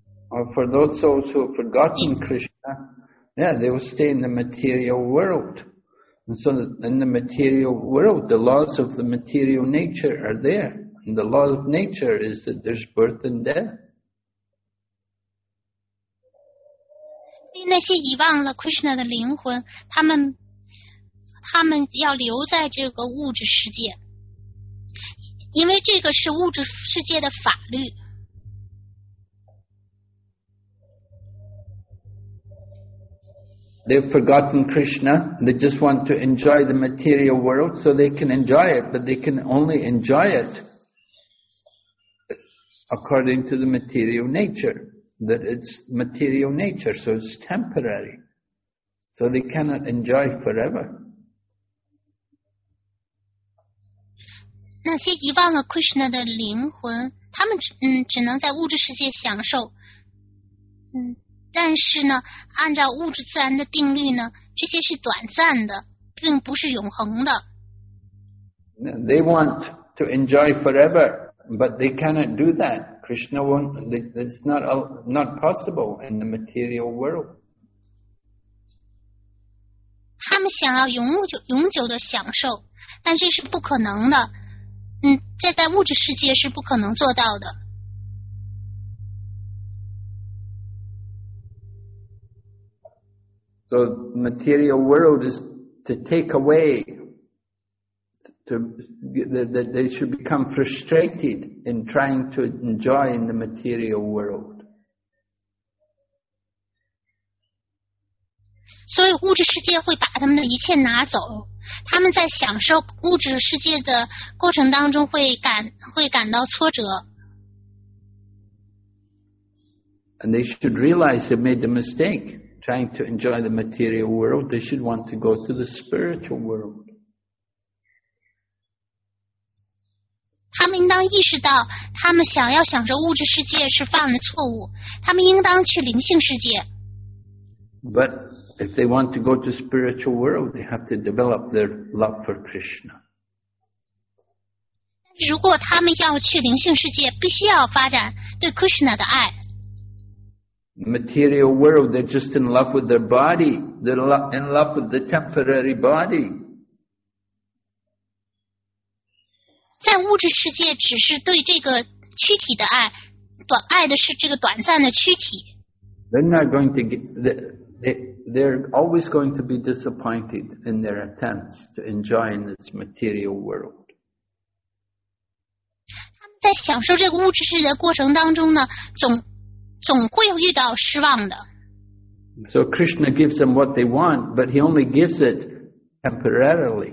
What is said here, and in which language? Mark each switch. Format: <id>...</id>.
<en>Or for those souls who have forgotten Krishna. Yeah, they will stay in the material world. And so in the material world, the laws of the material nature are there. And the law of nature is that there's birth and death.</en> <zh>对那些遗忘了 Krishna 的灵魂，他们要留在这个物质世界，因为这个是物质世界的法律。</zh> <en>They've forgotten Krishna. They just want to enjoy the material world so they can enjoy it, but they can only enjoy it according to the material nature, that it's material nature, so it's temporary. So they cannot enjoy forever.</en> <zh>那些遗忘了 Krishna 的灵魂，他们只能在物质世界享受。但是呢，按照物质自然的定律呢，这些是短暂的，并不是永恒的。</zh> <en>They want to enjoy forever, but they cannot do that. Krishna won't, it's not possible in the material world.</en> <zh>他们想要永久的享受，但这是不可能的。这在物质世界是不可能做到的。</zh> <en>So material world is to take away, that they should become frustrated in trying to enjoy in the material world.</en> <zh>所以物质世界会把他们的一切拿走，他们在享受物质世界的过程当中会感到挫折。</zh> <en>And they should realize they made a mistake. Trying to enjoy the material world, they should want to go to the spiritual world.</en> <zh>他们应当意识到，他们想要享受物质世界是犯了错误，他们应当去灵性世界。</zh> <en>But if they want to go to spiritual world, they have to develop their love for Krishna.</en> <zh>如果他们要去灵性世界，必须要发展对 Krishna 的爱。</zh> <en>Material world, they're just in love with their body. They're in love with the temporary body.</en> <zh>在物质世界只是对这个躯体的爱，短爱的是这个短暂的躯体。</zh> <en>They're not going to get, they're always going to be disappointed in their attempts to enjoy in this material world.</en> <zh>他们在享受这个物质世界的过程当中呢，总会遇到失望的。</zh> <en>So Krishna gives them what they want, but he only gives it temporarily.</en>